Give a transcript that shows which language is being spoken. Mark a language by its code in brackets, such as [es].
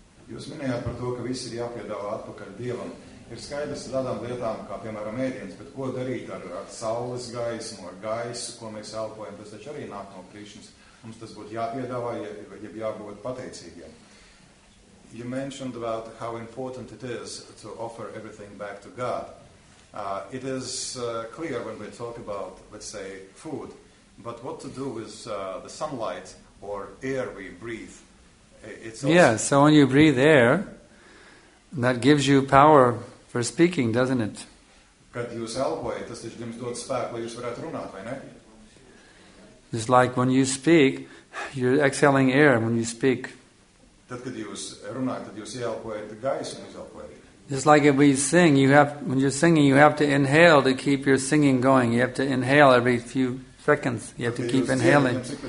[lv] Ir jāpiedāvā atpakaļ Dievam. Ir skaidrs tādām lietām, kā piemēram ēdienas, bet ko darīt ar saules gaismu, ar gaisu, ko mēs elpojam, tas taču arī nāk no Krišnas. Mums tas būtu jāpiedāvā, jeb jābūt pateicīgiem. [en] You mentioned about how important it is to offer everything back to God. It is clear when we talk about, let's say, food, but what to do with the sunlight or air we breathe? It's also yeah, so when you breathe air, that gives you power for speaking, doesn't it? [lv] Kad jūs elpojat, tas taču jums dod spēku, lai jūs varētu runāt, vai ne? [en] It's like when you speak, you're exhaling air when you speak. [lv] Tad, kad jūs runājat, tad jūs ielpojat gaisu un izelpojat. [en] Just like if we sing, you have, when you're singing, you have to inhale to keep your singing going. You have to inhale every few seconds. You have to keep inhaling.